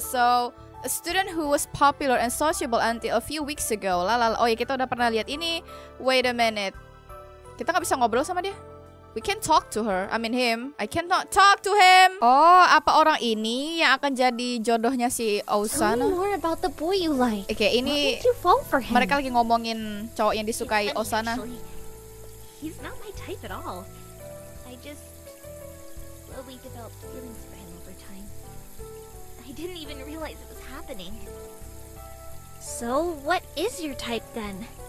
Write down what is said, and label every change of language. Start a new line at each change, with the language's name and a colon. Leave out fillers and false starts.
English: So a student who was popular and sociable until a few weeks ago. Lalala.
Indonesian: Oh ya, kita udah pernah lihat ini.
English: Wait a minute.
Indonesian: Kita gak bisa ngobrol sama dia?
English: We can't talk to her. I mean him. I cannot talk to him.
Indonesian: Oh, apa orang ini yang akan jadi jodohnya si Osana?
English: Tell me more about the boy you like.
Indonesian: Oke, okay, ini
English: what made you fall for him?
Indonesian: Mereka lagi ngomongin cowok yang disukai Osana.
English: He's not my type at all. I just slowly developed feelings for him over time. I didn't even realize it was happening. So, what is your type then?